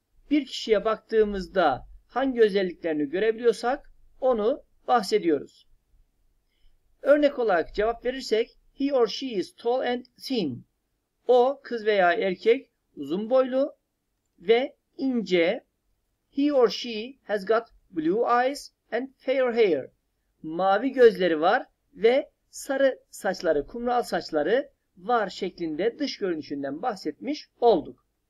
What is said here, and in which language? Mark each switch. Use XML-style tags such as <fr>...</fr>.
<tr>Bir kişiye baktığımızda hangi özelliklerini görebiliyorsak onu bahsediyoruz. Örnek olarak cevap verirsek,</tr> <en>he or she is tall and thin.</en> <tr>O, kız veya erkek, uzun boylu ve ince.</tr> <en>He or she has got blue eyes and fair hair.</en> <tr>Mavi gözleri var ve sarı saçları, kumral saçları var şeklinde dış görünüşünden bahsetmiş olduk.</tr>